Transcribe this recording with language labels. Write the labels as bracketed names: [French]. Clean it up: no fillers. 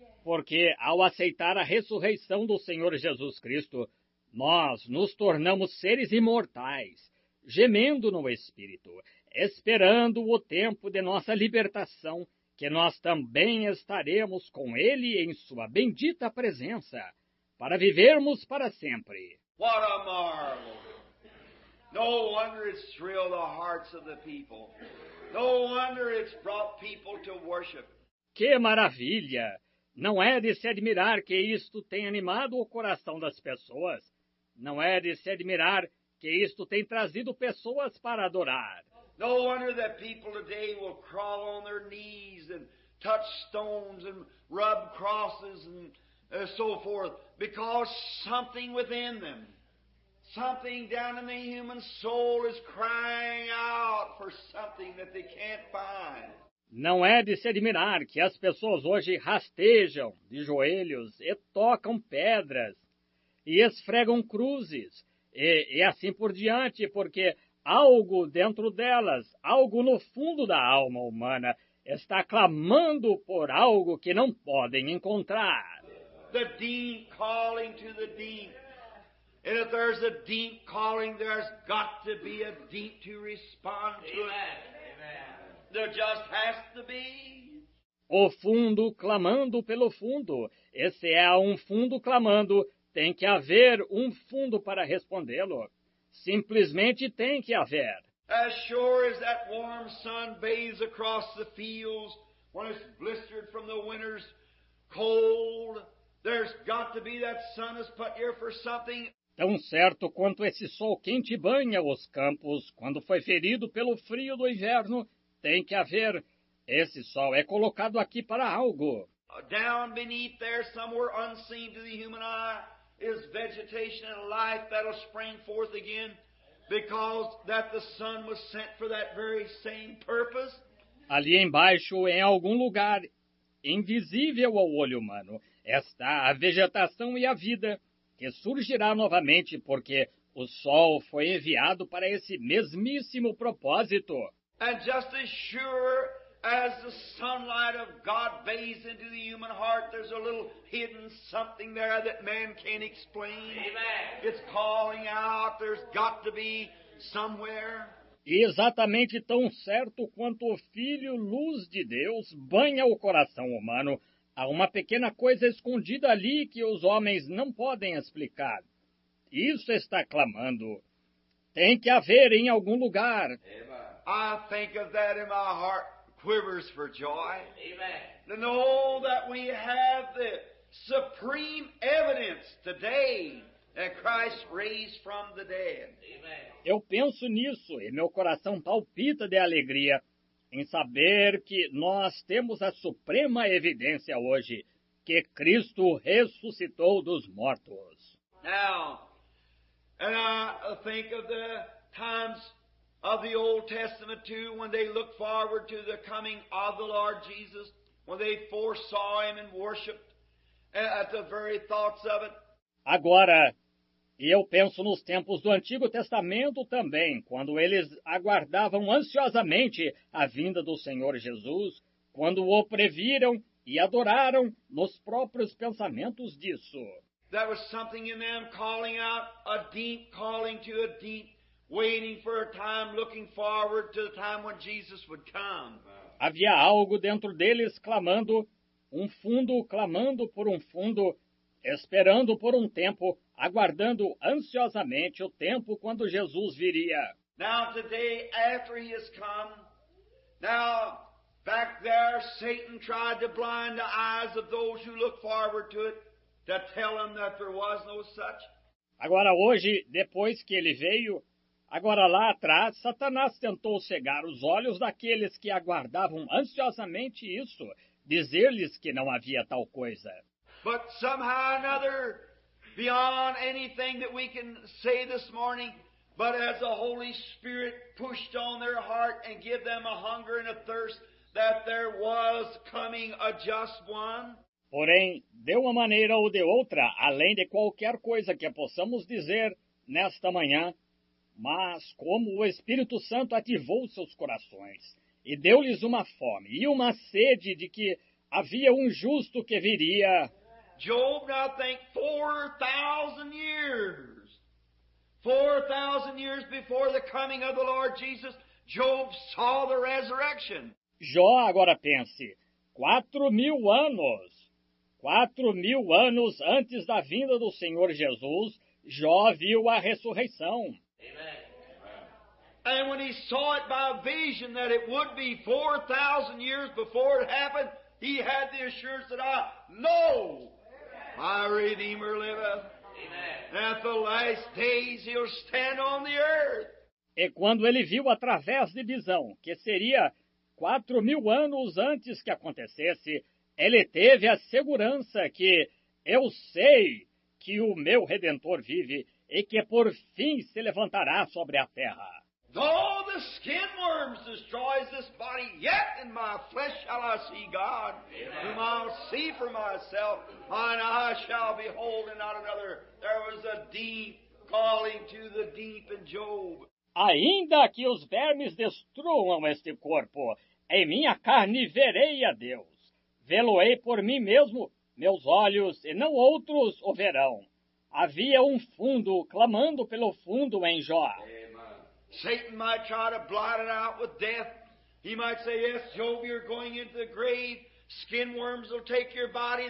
[Portuguese] Porque, ao aceitar a ressurreição do Senhor Jesus Cristo, nós nos tornamos seres imortais, gemendo no Espírito, esperando o tempo de nossa libertação, que nós também estaremos com Ele em sua bendita presença, para vivermos para sempre. [English] What a marvel! No wonder it's thrilled the hearts of the people. No wonder it's brought people to worship. [Portuguese] Que maravilha! Não é de se admirar que isto tenha animado o coração das pessoas. Não é de se admirar que isto tenha trazido pessoas para adorar. [English] No wonder that people today will crawl on their knees and touch stones and rub crosses and so forth, because something within them, something down in the human soul is crying out for something that they can't find. [Portuguese] Não é de se admirar que as pessoas hoje rastejam de joelhos e tocam pedras e esfregam cruzes e assim por diante, porque algo dentro delas, algo no fundo da alma humana, está clamando por algo que não podem encontrar. [English] The deep calling to the deep. And if there's a deep calling, there's got to be a deep to respond to it. Amen. There just has to be. [Portuguese] O fundo clamando pelo fundo. Esse é um fundo clamando. Tem que haver um fundo para respondê-lo. Simplesmente tem que haver. [English] As sure as that warm sun bathes across the fields when it's blistered from the winter's cold, there's got to be that sun has put here for something. [Portuguese] Tão certo quanto esse sol quente banha os campos quando foi ferido pelo frio do inverno, tem que haver. Esse sol é colocado aqui para algo. [English] Down beneath there, somewhere unseen to the human eye, is vegetation and life that'll spring forth again. Because that the sun was sent for that very same purpose. [Portuguese] Ali embaixo, em algum lugar, invisível ao olho humano, está a vegetação e a vida, que surgirá novamente porque o sol foi enviado para esse mesmíssimo propósito. [English] And just as sure as the sunlight of God bathes into the human heart, there's a little hidden something there that man can't explain. Amen. It's calling out, there's got to be somewhere. [Portuguese] E exatamente tão certo quanto o Filho Luz de Deus banha o coração humano, há uma pequena coisa escondida ali que os homens não podem explicar. Isso está clamando. Tem que haver em algum lugar. [English] Amen. I think of that in my heart. Quivers for joy. Amen. To know that we have the supreme evidence today that Christ raised from the dead. Amen. [Portuguese] Eu penso nisso e meu coração palpita de alegria em saber que nós temos a suprema evidência hoje que Cristo ressuscitou dos mortos. [English] Now, and I think of the times of the Old Testament too, when they looked forward to the coming of the Lord Jesus, when they foresaw him and worshipped at the very thoughts of it. [Portuguese] Agora, eu penso nos tempos do Antigo Testamento também, quando eles aguardavam ansiosamente a vinda do Senhor Jesus, quando o previram e adoraram nos próprios pensamentos disso. [English] There was something in them calling out, a deep calling to a deep, waiting for a time, looking forward to the time when Jesus would come. [Portuguese] Havia algo dentro deles clamando, um fundo clamando por um fundo, esperando por um tempo, aguardando ansiosamente o tempo quando Jesus viria. [English] Now today, after he has come, now back there, Satan tried to blind the eyes of those who looked forward to it, to tell them that there was no such. [Portuguese] Agora hoje, depois que ele veio, agora lá atrás, Satanás tentou cegar os olhos daqueles que aguardavam ansiosamente isso, dizer-lhes que não havia tal coisa. [English] But somehow or another, beyond anything that we can say this morning, but as the Holy Spirit pushed on their heart and gave them a hunger and a thirst that there was coming a just one. [Portuguese] Porém, de uma maneira ou de outra, além de qualquer coisa que possamos dizer nesta manhã, mas como o Espírito Santo ativou seus corações e deu-lhes uma fome e uma sede de que havia um justo que viria. [English] Job, now think 4,000 years. 4,000 years before the coming of the Lord Jesus, Job saw the resurrection. [Portuguese] Jó, agora pense, 4,000 anos. 4,000 anos antes da vinda do Senhor Jesus, Jó viu a ressurreição. [English] Amen. And when he saw it by vision that it would be 4,000 years before it happened, he had the assurance that I know my Redeemer liveth. Amen. At the last days he'll stand on the earth. [Portuguese] E quando ele viu através de visão que seria 4,000 anos antes que acontecesse, ele teve a segurança que eu sei que o meu Redentor vive e que por fim se levantará sobre a terra. [English] Though the skin worms destroys this body, yet in my flesh shall I see God, whom I'll see for myself, mine eyes shall behold and not another. There was a deep calling to the deep in Job. [Portuguese] Ainda que os vermes destruam este corpo, em minha carne verei a Deus. Vê-lo-ei por mim mesmo, meus olhos, e não outros o verão. Havia um fundo clamando pelo fundo em Jó. [English] Satan might try to blot it out with death. He might say, yes, Job, you're going into the grave. Skin worms will take your body.